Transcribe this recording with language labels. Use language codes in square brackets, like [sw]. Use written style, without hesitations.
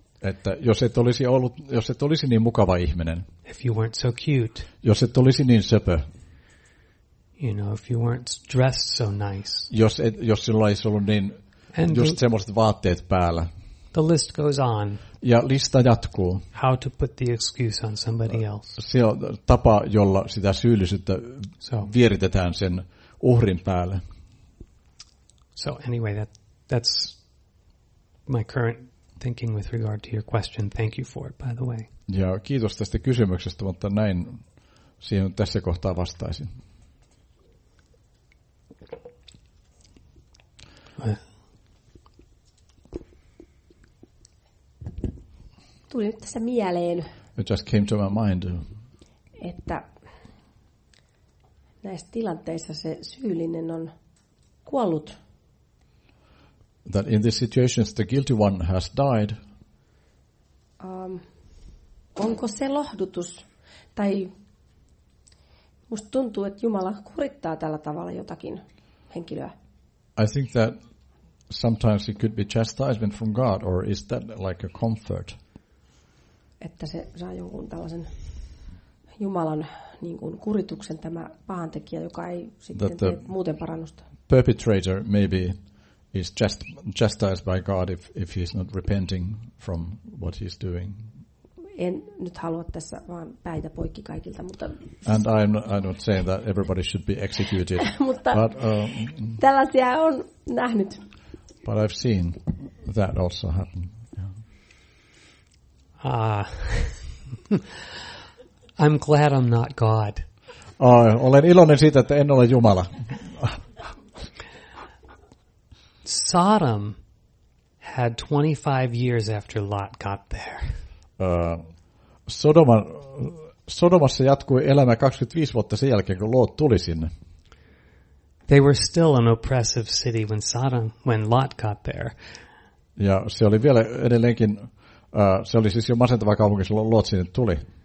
[fi] Että jos et olisi niin mukava ihminen. [en] If you weren't so cute. [fi] Jos et olisi niin söpö. [en] You know, if you weren't dressed so nice. [fi] Jos sinulla olisi ollut niin [en] and just the, [fi] semmoiset vaatteet päällä. [en] The list goes on. [fi] Ja lista jatkuu. [en] How to put the excuse on somebody else. [fi] Se on tapa, jolla sitä syyllisyyttä vieritetään sen uhrin päälle. [en] So anyway, that's my current thinking with regard to your question. Thank you for it, by the way. [fi] Ja kiitos tästä kysymyksestä, mutta näin siihen tässä kohtaa vastaisin. Tuli nyt tässä mieleen. [en] It just came to my mind. [fi] Että näissä tilanteissa se syyllinen on kuollut. [en] That in these situations the guilty one has died. [fi] Onko se lohdutus? Tai musta tuntuu, että Jumala kurittaa tällä tavalla jotakin henkilöä. [en] I think that sometimes it could be chastisement from God, or is that like a comfort? [fi] Että se saa jonkun tällaisen Jumalan niin kuin kurituksen tämä pahantekijä, joka ei sitten tee muuten parannusta. [en] Perpetrator maybe is chastised by God if he's not repenting from what he's doing. [fi] En nyt halua tässä vaan päitä poikki kaikilta, mutta [en] and I'm not saying that everybody should be executed. [fi] Mutta but, tällaisia on nähnyt. [en] But I've seen that also happen. I'm glad I'm not God. [fi] Olen iloinen siitä, että en ole Jumala. [en] Sodom had 25 years after Lot got there. [fi] Sodomassa jatkui elämä 25 vuotta sen jälkeen, kun Lot tuli sinne. [en] They were still an oppressive city when Lot got there. [fi] Ja se oli vielä edelleenkin se oli siis jo masentava kaupunki, jolloin Lot sinne tuli.